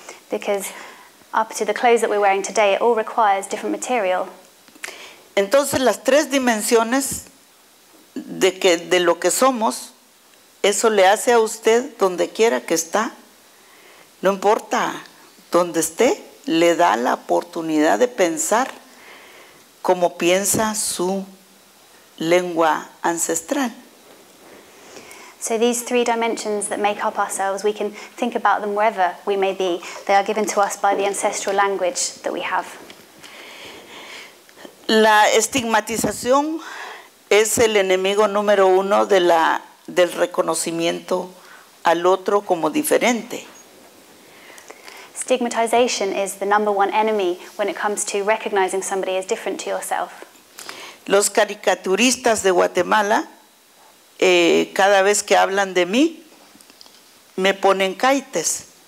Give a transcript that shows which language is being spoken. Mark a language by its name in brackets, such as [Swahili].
[English] Because up to the clothes that we're wearing today, it all requires different material. [Spanish] Entonces las tres dimensiones de lo que somos, eso le hace a usted donde quiera que está, no importa dónde esté, le da la oportunidad de pensar como piensa su lengua ancestral. [English] So these three dimensions that make up ourselves, we can think about them wherever we may be. They are given to us by the ancestral language that we have. [Spanish] La estigmatización es el enemigo número uno de la, del reconocimiento al otro como diferente. [English] Stigmatization is the number one enemy when it comes to recognizing somebody as different to yourself. [Spanish] Los caricaturistas de Guatemala, cada vez que hablan de mí, me ponen caites.